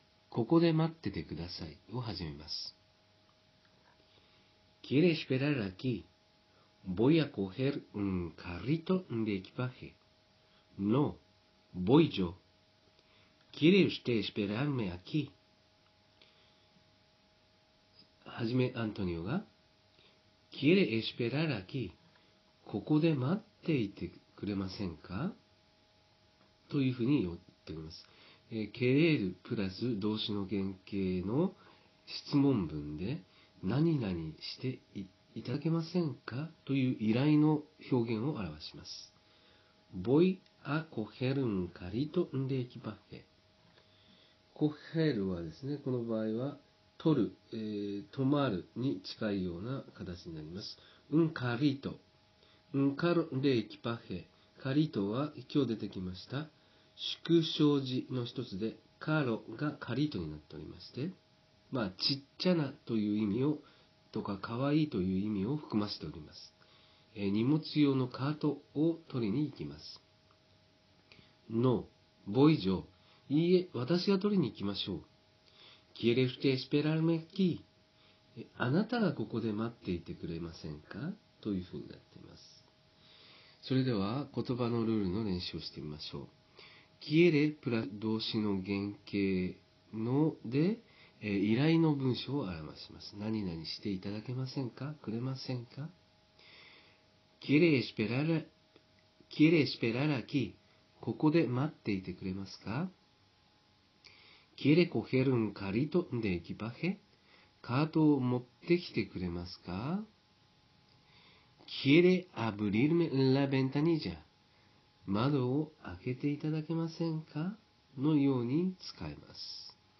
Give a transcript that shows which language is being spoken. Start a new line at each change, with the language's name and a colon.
Japanese: ここで待っててくださいを始めます。
Spanish: Quiere esperar aquí? Voy a coger un carrito de equipaje. No, voy yo. ¿Quiere usted esperarme aquí?
Japanese: はじめアントニオが
Spanish: Quiere esperar aquí?
Japanese: ここで待っていてくれませんか?というふうに言ってきます。 querer プラス動詞の原形の質問文で何々して いただけませんかという依頼の表現を表します。
Spanish: Voy a coger un carrito de equipaje.
Japanese: Cogerはですね、この場合は取る、止まるに近いような形になります。
Spanish: Un carrito. Un carro de equipaje.
Japanese: Carrito は今日出てきました。縮小字の一つで、カロがカリートになっておりまして、まあ、ちっちゃなという意味を、とか、かわいいという意味を含ませております。荷物用のカートを取りに行きます。
Spanish: No, voy yo.
Japanese: いいえ、私が取りに行きましょう。
Spanish: Quiere usted esperarme aquí?
Japanese: あなたがここで待っていてくれませんか?というふうになっています。それでは、言葉のルールの練習をしてみましょう。quiere プラス動詞の原形ので、依頼の文章を表します。何々していただけませんか? くれませんか?
Spanish: quiere esperar aquí?
Japanese: ここで待っていてくれますか?
Spanish: quiere coger un carrito de equipaje?
Japanese: カートを持ってきてくれますか?
Spanish: quiere abrirme la ventanilla?
Japanese: 窓を開けていただけませんか?のように使えます。